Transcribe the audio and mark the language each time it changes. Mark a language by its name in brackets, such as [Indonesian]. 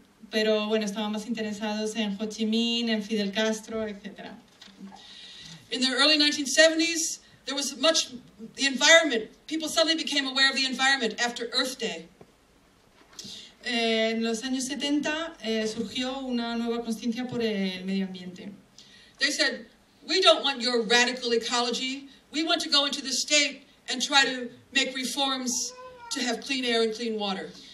[Spanish] Pero bueno, estaban más interesados en Ho Chi Minh, en Fidel Castro, etc. [English] In the early 1970s, there was much the environment. People suddenly became aware of the environment after Earth Day. [Spanish] En los años 70 surgió una nueva consciencia por el medio ambiente. [English] They said, we don't want your radical ecology. We want to go into the state and try to make reforms to have clean air and clean water.